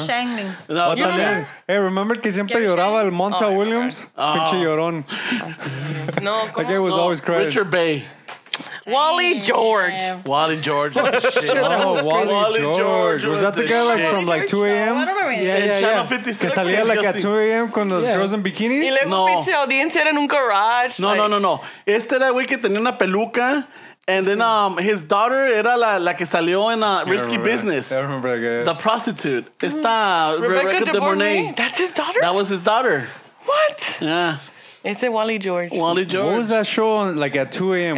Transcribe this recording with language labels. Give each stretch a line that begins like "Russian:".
Spanish: Gary Shandling.
English: Hey, remember
Spanish: que siempre lloraba el Monta Williams? Pinche llorón. No,
English: that guy was always crying. Richard Bay. Wally George. Wally George. Oh, Wally George. Was that the guy like from like 2 a.m.? I don't remember. Yeah. Channel 56.
Spanish: Que salía
English: like at 2 a.m.
Spanish: con las
English: girls in bikinis?
Spanish: Y luego pinche audiencia era en un garage. No. Este era güey que tenía una peluca.
English: And then his daughter
Spanish: era la que salió
English: in Risky Business. I remember that guy. The prostitute. Esta Rebecca De Mornay. That's his daughter? That was his daughter. What? Yeah. Is it Wally George? Wally George. What was that show on, like at 2 a.m.?